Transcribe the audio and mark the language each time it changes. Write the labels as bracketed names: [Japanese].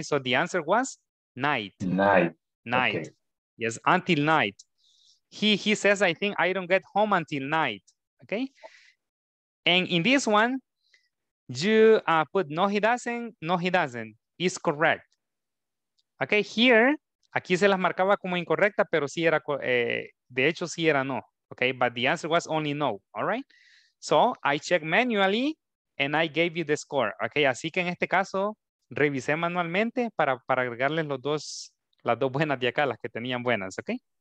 [English] So the answer was night. Night. Okay. Yes, until night. He says, I think I don't get home until night, okay? And in this one, you put no, he doesn't. It's correct. [Spanish] Okay, here, aquí se las marcaba como incorrecta, pero sí era, de hecho, sí era no, okay? [English] But the answer was only no, all right? So I check manually. And I gave you the score, okay? [Spanish] Así que en este caso, revisé manualmente para agregarles las dos buenas de acá, las que tenían buenas, okay?